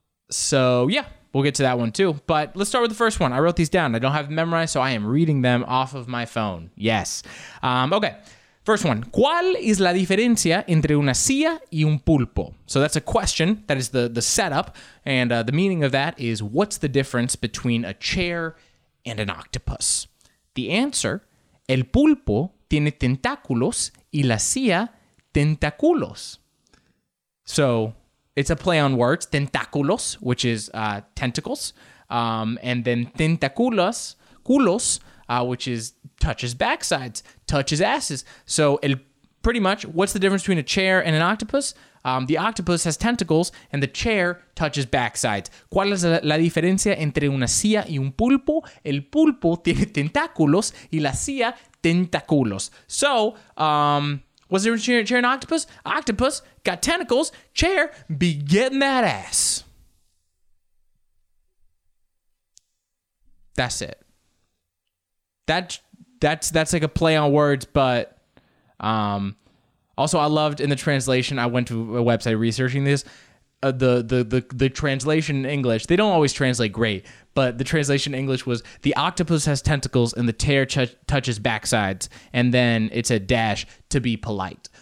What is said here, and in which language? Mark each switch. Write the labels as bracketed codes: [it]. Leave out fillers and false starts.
[en] So yeah, we'll get to that one too. But let's start with the first one. I wrote these down. I don't have them memorized, so I am reading them off of my phone. Yes. Okay. First one. [es] ¿Cuál es la diferencia entre una silla y un pulpo? [en] So that's a question. That is the setup. And the meaning of that is, what's the difference between a chair and an octopus? The answer, [es] el pulpo tiene tentáculos y la silla tentáculos. [en] So it's a play on words, tentáculos, which is tentacles, and then tentáculos, culos, which is touches backsides, touches asses. So pretty much, what's the difference between a chair and an octopus? The octopus has tentacles and the chair touches backsides. [es] ¿Cuál es la diferencia entre una silla y un pulpo? El pulpo tiene tentáculos y la silla tentáculos. [en] So, what's the difference between a chair and an octopus? Octopus got tentacles, chair be getting that ass. That's it. That's like a play on words, but also, I loved in the translation, I went to a website researching this, the translation in English, they don't always translate great, but the translation in English was, the octopus has tentacles and the tear touches backsides, and then it's a dash to be polite.